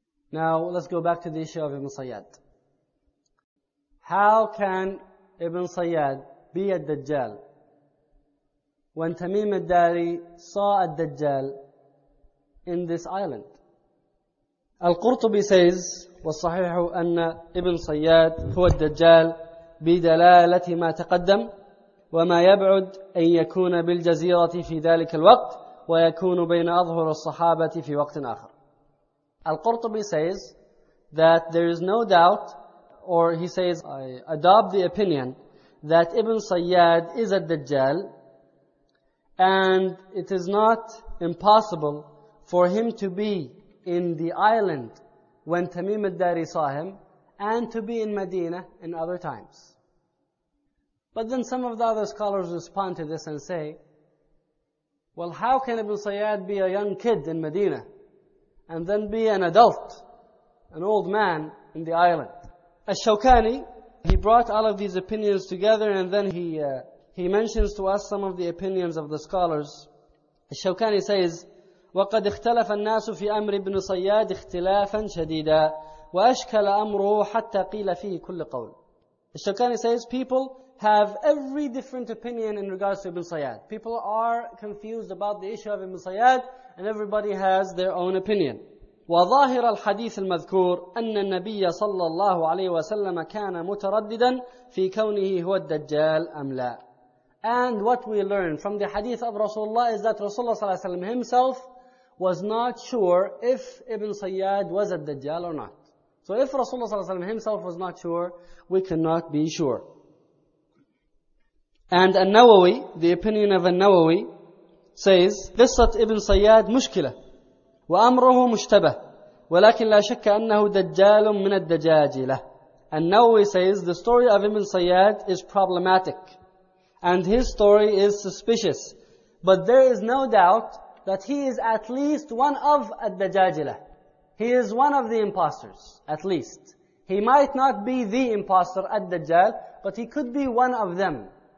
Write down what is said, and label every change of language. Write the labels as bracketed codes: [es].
[en] Now let's go back to the issue of Ibn Sayyad. How can Ibn Sayyad be a Dajjal when Tamim al-Dari saw a Dajjal in this island? Al-Qurtubi says, [ar] وَالصَّحِيحُ أَنَّ إِبْنَ صَيَّادٍ هُوَ الدَّجَّالُ بِدَلَالَةِ مَا تَقَدَّمَ وَمَا يَبْعُدُ أَنْ يَكُونَ بِالْجَزِيرَةِ فِي ذَلِكَ الْوَقْتِ وَيَكُونُ بَيْنَ أَظْهُرِ الصَّحَابَةِ فِي وَقْتٍ آخَرٍ. [en] Al-Qurtubi says that there is no doubt, or he says, I adopt the opinion that Ibn Sayyad is a Dajjal, and it is not impossible for him to be in the island when Tamim al-Dari saw him, and to be in Medina in other times. But then some of the other scholars respond to this and say, well, how can Ibn Sayyad be a young kid in Medina and then be an adult, an old man in the island? Al-Shawkani, he brought all of these opinions together, and then he mentions to us some of the opinions of the scholars. Al-Shawkani says, [ar] وقد اختلف الناس في أمر ابن صياد اختلافا شديدا وأشكل أمره حتى قيل فيه كل قول. [en] الشوكاني says people have every different opinion in regards to Ibn Sayyad. People are confused about the issue of Ibn Sayyad, and everybody has their own opinion. [ar] وظاهر الحديث المذكور أن النبي صلى الله عليه وسلم كان مترددا في كونه هو الدجال أم لا. [en] And what we learn from the hadith of Rasulullah is that Rasulullah صلى الله عليه وسلم himself was not sure if Ibn Sayyad was a Dajjal or not. So if Rasulullah ﷺ himself was not sure, we cannot be sure. And An-Nawawi, the opinion of An-Nawawi, says, [ar] قصت Ibn Sayyad مشكلة وأمره مشتبه ولكن لا شك أنه دجال من الدجاجلة. [en] An-Nawawi says, the story of Ibn Sayyad is problematic and his story is suspicious, but there is no doubt that he is at least one of Ad-Dajajila. He is one of the imposters, at least. He might not be the imposter, Ad-Dajjal, but he could be one of them.